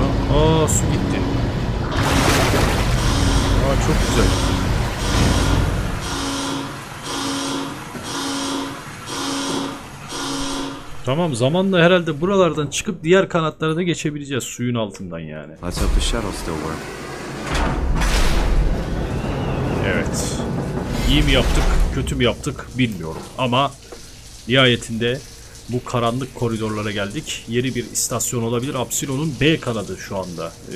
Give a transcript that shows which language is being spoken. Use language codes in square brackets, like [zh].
[tr] Aa su gitti. Aa çok güzel. Tamam, zamanla herhalde buralardan çıkıp diğer kanatlara da geçebileceğiz, suyun altından yani. [en] Let's hope the shuttle still works. [tr] Evet. İyi mi yaptık, kötü mü yaptık bilmiyorum ama nihayetinde bu karanlık koridorlara geldik. Yeni bir istasyon olabilir. Absilon'un B kanadı şu anda.